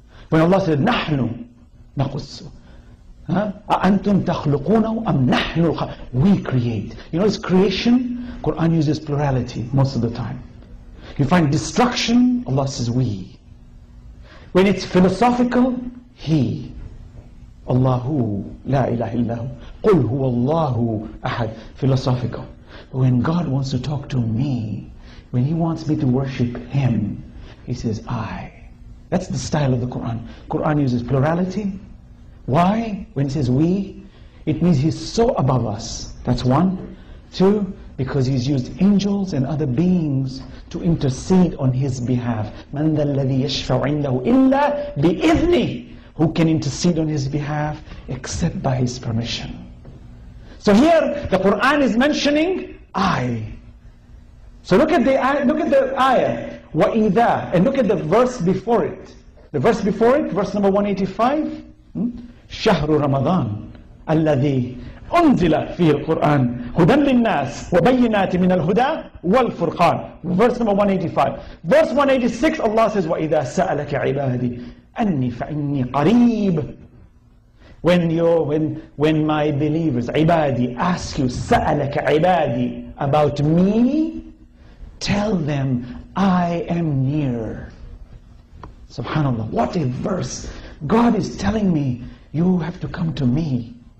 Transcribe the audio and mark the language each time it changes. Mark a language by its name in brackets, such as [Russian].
[English] When Allah said, [Arabic] نَحْنُ نَقُسُ أَأَنْتُمْ تَخْلُقُونَ أَمْ نَحْنُ [English] We create. You notice creation? Quran uses plurality most of the time. You find destruction, Allah says, we. When it's philosophical, He. [Arabic] Allahu, la ilaha illahu. قُلْ هُوَ اللَّهُ أَحَدٌ [English] Philosophical. But when God wants to talk to me, when He wants me to worship Him, He says, I. That's the style of the Quran. Quran uses plurality. Why? When He says we, it means He's so above us. That's one. Two, because He's used angels and other beings to intercede on His behalf. [Arabic] مَنْ ذَا الَّذِي يَشْفَعُ عِنْدَهُ إِلَّا بِإِذْنِهِ [English] Who can intercede on His behalf except by His permission. So here the Quran is mentioning I. So look at the ayah, wa'idha, and look at the verse before it. The verse before it, verse number 185. [Arabic] شهر رمضان الذي أنزل فيه القرآن هدى للناس وبينات من الهدى والفرقان. [English] Verse number 185. Verse 186, Allah says, [Arabic] وَإِذَا سَأَلَكَ عِبَادِي أَنِّي فَإِنِّي قَرِيبٌ. [English] When my believers, عِبَادِي, ask you, [Arabic] سَأَلَكَ عِبَادِي, [English] about me, tell them, I am near. SubhanAllah, what a verse. God is telling me, you have to come to me.